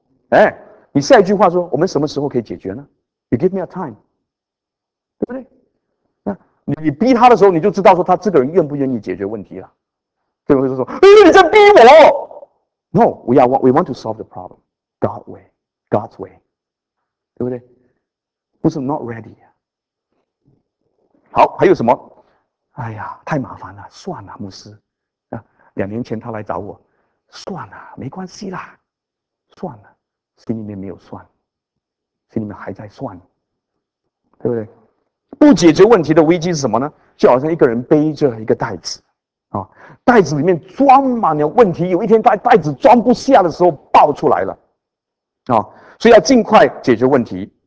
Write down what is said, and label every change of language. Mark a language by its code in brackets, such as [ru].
[zh] 哎，你下一句话说，我们什么时候可以解决呢 ？ [en] You give me a time， [zh] 对不对？那你逼他的时候，你就知道说他这个人愿不愿意解决问题了。对不对？就说，哎，你在逼我。 [en] No, we want to solve the problem. God's way. God's way. [zh] 对不对？不是 [en] not ready. [zh] 好，还有什么？哎呀，太麻烦了，算了，牧师。啊，两年前他来找我，算了，没关系啦，算了，心里面没有算，心里面还在算，对不对？不解决问题的危机是什么呢？就好像一个人背着一个袋子，啊，袋子里面装满了问题，有一天袋子装不下的时候爆出来了，啊，所以要尽快解决问题。